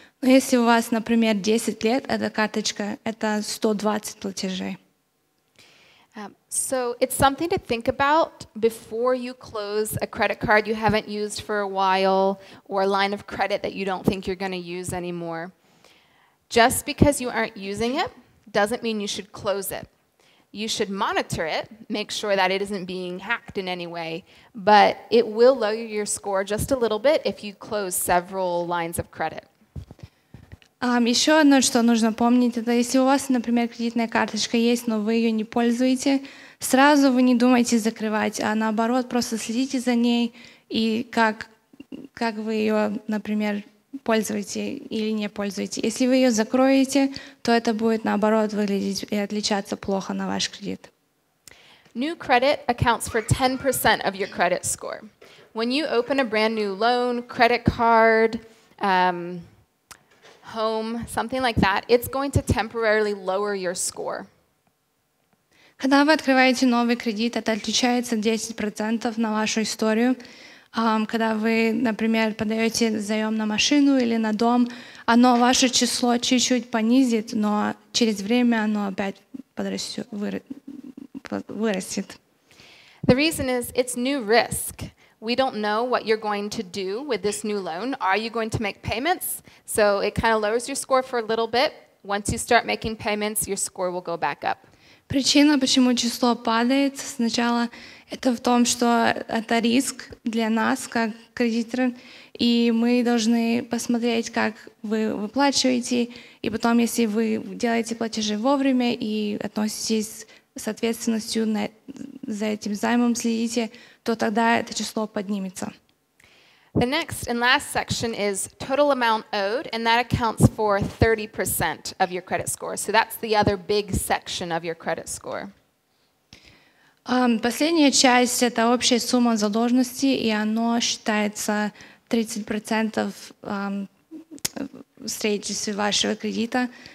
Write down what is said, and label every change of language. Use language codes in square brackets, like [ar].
[ru] Но если у вас, например, 10 лет, эта карточка, это 120 платежей. [en] So it's something to think about before you close a credit card you haven't used for a while or a line of credit that you don't think you're going to use anymore. Just because you aren't using it doesn't mean you should close it. You should monitor it, make sure that it isn't being hacked in any way, but it will lower your score just a little bit if you close several lines of credit. [ru] Еще одно, что нужно помнить, это если у вас, например, кредитная карточка есть, но вы ее не пользуете, сразу вы не думаете закрывать, а наоборот, просто следите за ней и как вы ее, например, пользуете или не пользуете. Если вы ее закроете, то это будет наоборот выглядеть и отличаться плохо на ваш кредит. [en] New credit accounts for 10% of your credit score. When you open a brand new loan, credit card, home, something like that, it's going to temporarily lower your score. [ru] Когда вы открываете новый кредит, это отличается 10% на вашу историю. Когда вы, например, подаете заем на машину или на дом, оно ваше число чуть-чуть понизит, но через время оно опять вырастет. [en] The reason is it's new risk. We don't know what you're going to do with this new loan. Are you going to make payments? So it kind of lowers your score for a little bit. Once you start making payments, your score will go back up. [ru] Причина, почему число падает, сначала это в том, что это риск для нас как кредитора, и мы должны посмотреть, как вы выплачиваете, и потом, если вы делаете платежи вовремя и относитесь с ответственностью на, за этим займом следите, то тогда это число поднимется. [en] The next and last section is total amount owed, and that accounts for 30% of your credit score. So that's the other big section of your credit score. [ru] Последняя часть — это общая сумма задолженности, и оно считается 30% в среднем вашего кредита.